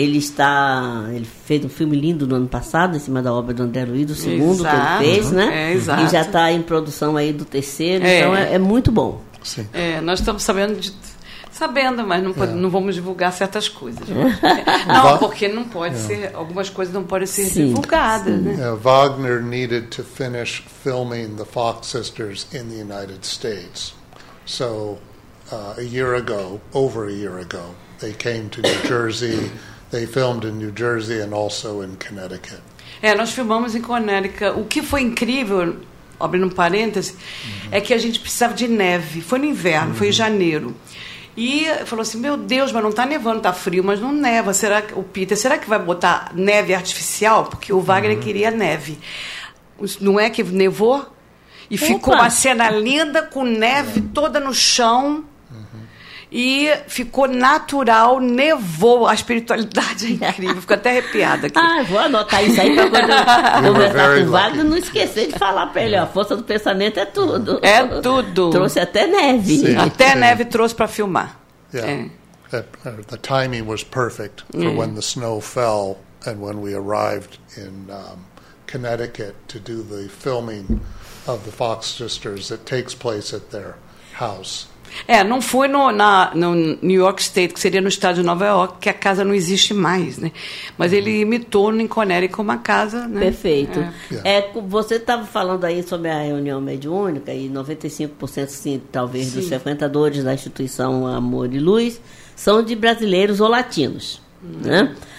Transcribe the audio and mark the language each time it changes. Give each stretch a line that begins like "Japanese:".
Portuguese: Ele fez um filme lindo no ano passado, em cima da obra do André Luiz, o segundo que ele fez, né? Exato. E já está em produção aí do terceiro, então é muito bom. Sim. Nós estamos sabendo de. Sabendo, mas não, pode, não vamos divulgar certas coisas. Não, porque não pode ser, algumas coisas não podem ser divulgadas. Sim. Né?
English: Wagner needed to finish filming the Fox Sisters in the United States. So, a year ago, over a year ago, they came to New Jersey. They filmed in New Jersey and also in Connecticut.
Portuguese: Nós filmamos em Connecticut. O que foi incrível, abrindo um parêntese, é que a gente precisava de neve. Foi no inverno, foi em janeiro. E falou assim, meu Deus, mas não está nevando, está frio, mas não neva. Será que o Peter, será que vai botar neve artificial? Porque o Wagner queria neve. Não é que nevou? E ficou uma cena linda com neve toda no chão. E ficou natural, nevou. A espiritualidade é incrível. Fico até arrepiada aqui. Ah, vou anotar isso aí para quando conversar com o Wagner, não esquecer de falar para ele. A força do pensamento é tudo. É tudo. Trouxe até neve. Sim. Até neve trouxe para filmar.
English: Yeah. The timing was perfect for when the snow fell and when we arrived in Connecticut to do the filming of the Fox Sisters that takes place at their house.
Portuguese: Não foi no New York State, que seria no estado de Nova York, que a casa não existe mais, né? Mas ele imitou no Connecticut uma casa, né? Perfeito. Você estava falando aí sobre a reunião mediúnica e 95%, sim, talvez, dos frequentadores da instituição Amor e Luz são de brasileiros ou latinos, né?